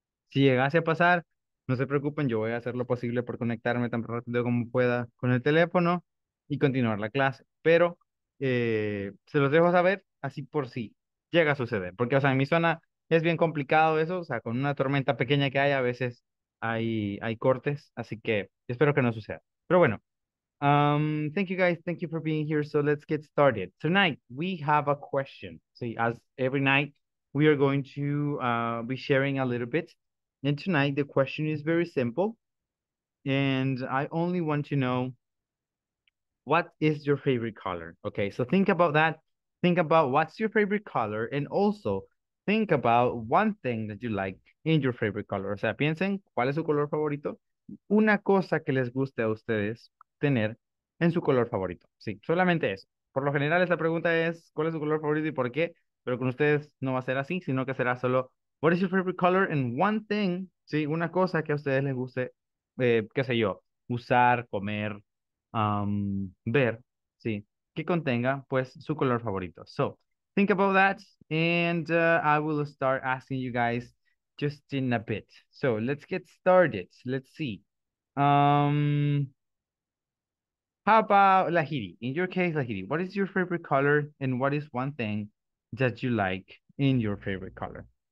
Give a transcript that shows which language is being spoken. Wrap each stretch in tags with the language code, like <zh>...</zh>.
<es>Si llegase a pasar, no se preocupen, yo voy a hacer lo posible por conectarme tan rápido como pueda con el teléfono y continuar la clase, pero se los dejo saber así por si llega a suceder, porque, o sea, en mi zona es bien complicado eso, o sea, con una tormenta pequeña que hay, a veces hay cortes, así que espero que no suceda. Pero bueno,</es> <en>thank you guys, thank you for being here. So let's get started. Tonight, we have a question. See, so, as every night, we are going to be sharing a little bit. And tonight, the question is very simple. And I only want to know, what is your favorite color? Okay, so think about that. Think about what's your favorite color and also think about one thing that you like in your favorite color.</en> <es>O sea, piensen cuál es su color favorito, una cosa que les guste a ustedes tener En su color favorito. Sí, solamente eso. Por lo general, esta pregunta es: ¿cuál es su color favorito y por qué? Pero con ustedes no va a ser así, sino que será solo:</es> <en>¿What is your favorite color in one thing?</en> <es>Sí, una cosa que a ustedes les guste, qué sé yo, usar, comer, ver, sí, que contenga pues su color favorito.</es> <en>So, think about that and I will start asking you guys just in a bit. So, let's get started. Let's see. How about Lahiri? In your case, Lahiri, what is your favorite color and what is one thing that you like in your favorite color?</en>